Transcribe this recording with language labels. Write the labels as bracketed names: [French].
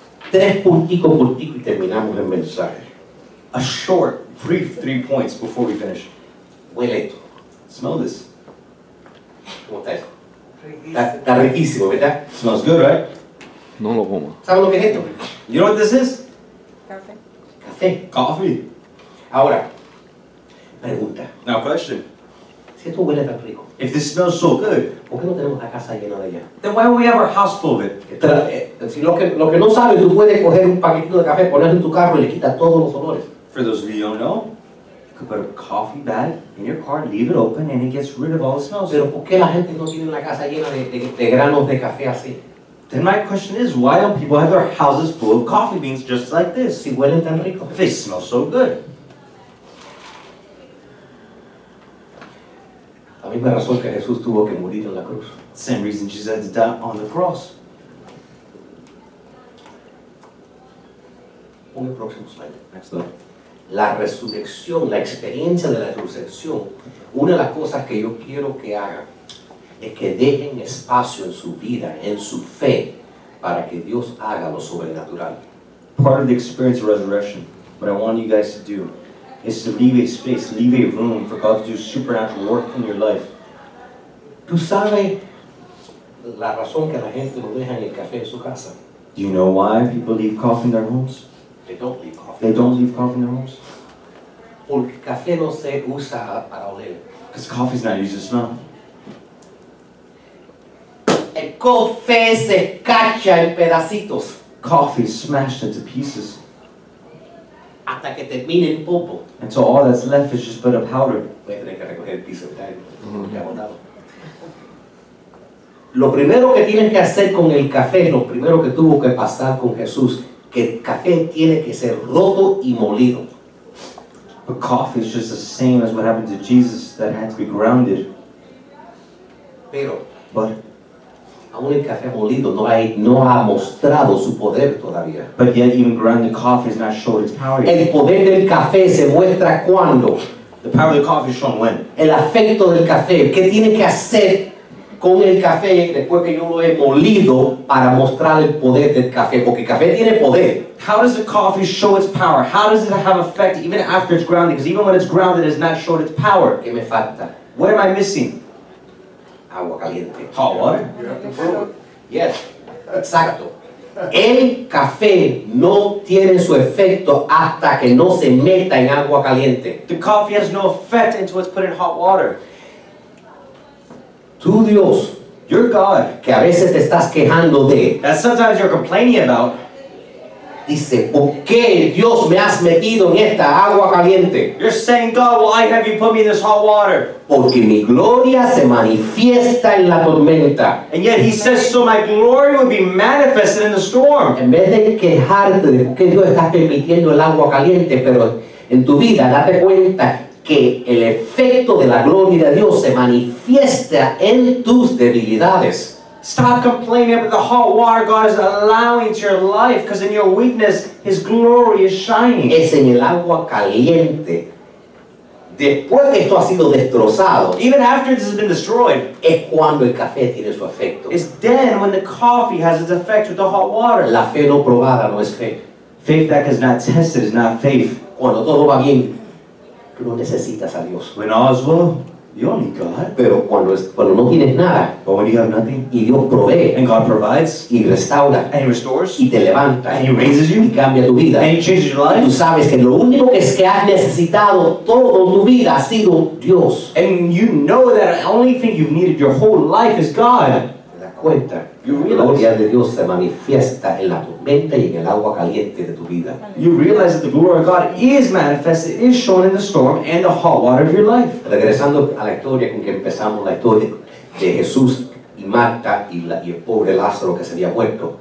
[Spanish] Tres punticos cortitos y terminamos el mensaje. [English] A short, brief 3 points before we finish. [Spanish] Huele esto. [English] Smell this. [Spanish] ¿Cómo está eso? Está riquísimo, ¿verdad? [English] Smells good, right? [Spanish] No lo como. ¿Sabes lo que es esto? [English] You know what this is? [Spanish] Café. Café. [English] Coffee. [Spanish] Ahora, pregunta. [English] Now question. [Spanish] Si esto huele tan rico. [English] If this smells so good, [Spanish] ¿por qué no tenemos la casa llena de ella? [English] Then why don't we have our house full of it? [Spanish] Si lo que no sabes, tú puedes coger un paquetito de café, ponerlo en tu carro y le quitas todos los olores. [English] For those of you who don't know, you could put a coffee bag in your car, leave it open, and it gets rid of all the smells. [Spanish] Pero ¿por qué la gente no tiene la casa llena de granos de café así? [English] Then my question is, why don't people have their houses full of coffee beans just like this? [Spanish] Si huelen tan rico. [English] If they smell so good. [Spanish] La misma razón que Jesús tuvo que morir en la cruz. [English] Same reason Jesus had to die on the cross. [Spanish] Pon el próximo slide. [English] Next slide. [Spanish] La resurrección, la experiencia de la resurrección, una de las cosas que yo quiero que hagan es que dejen espacio en su vida, en su fe, para que Dios haga lo sobrenatural. [English] Part of the experience of resurrection, what I want you guys to do, is to leave a space, leave a room for God to do supernatural work in your life. [Spanish] ¿Tú sabes la razón que la gente no deja el café en su casa? [English] Do you know why people leave coffee in their homes? They don't leave coffee. They don't leave coffee in their homes. [Spanish] Porque café no se usa para oler. [English] Because coffee is not used to smell. [Spanish] El café se cacha en pedacitos. [English] Coffee is smashed into pieces. [Spanish] Hasta que termine el popo. [English] And so all that's left is just but a powder. [Spanish] Voy a tener que recoger el piso, ¿verdad? Ya botado. Lo primero que tienen que hacer con el café, lo primero que tuvo que pasar con Jesús, que el café tiene que ser roto y molido. [English] But coffee is just the same as what happened to Jesus, that had to be grounded. [Spanish] Pero, [English] but, [Spanish] aún el café molido no ha mostrado su poder todavía. [English] But yet even grounded coffee has not shown its power yet. [Spanish] El poder del café se muestra cuando. [English] The power of the coffee is shown when. [Spanish] El efecto del café, ¿qué tiene que hacer con el café después que yo lo he molido para mostrar el poder del café? Porque el café tiene poder. [English] How does the coffee show its power? How does it have effect even after it's grounded? Because even when it's grounded, it has not shown its power. [Spanish] ¿Qué me falta? [English] What am I missing? [Spanish] Agua caliente. [English] Hot water? Yes. Exacto. [Spanish] El café no tiene su efecto hasta que no se meta en agua caliente. [English] The coffee has no effect until it's put in hot water. [Spanish] Tu Dios, [English] your God, [Spanish] que a veces te estás quejando de, [English] that sometimes you're complaining about, [Spanish] dice, ¿por qué Dios me has metido en esta agua caliente? [English] You're saying, God, why have you put me in this hot water? [Spanish] Porque mi gloria se manifiesta en la tormenta. [English] And yet he says, so my glory would be manifested in the storm. [Spanish] En vez de quejarte de por qué Dios está permitiendo el agua caliente, pero en tu vida, date cuenta que el efecto de la gloria de Dios se manifiesta en tus debilidades. [English] Stop complaining about the hot water God is allowing to your life, because in your weakness, His glory is shining. [Spanish] Es en el agua caliente. Después que esto ha sido destrozado, [English] even after this has been destroyed, [Spanish] es cuando el café tiene su efecto. [English] It's then when the coffee has its effect with the hot water. [Spanish] La fe no probada no es fe. [English] Faith that is not tested is not faith. [Spanish] Cuando todo va bien, tú no necesitas a Dios. [English] When all is well, you don't need God. [Spanish] Pero cuando no tienes nada, [English] but when you have nothing, [Spanish] y Dios provee, [English] and God provides, [Spanish] y restaura, [English] and He restores, [Spanish] y te levanta, [English] and He raises you, [Spanish] y cambia tu vida, [English] and He changes your life, [Spanish] tú sabes que lo único que es que has necesitado todo tu vida ha sido Dios. [English] And you know that the only thing you've needed your whole life is God. [Spanish] Cuenta, [English] you realize, [Spanish] la gloria de Dios se manifiesta en la tormenta y en el agua caliente de tu vida. [English] You realize that the glory of God is manifested, is shown in the storm and the hot water of your life. [Spanish] Regresando a la historia con que empezamos, la historia de Jesús y Marta y el pobre Lázaro que se había muerto.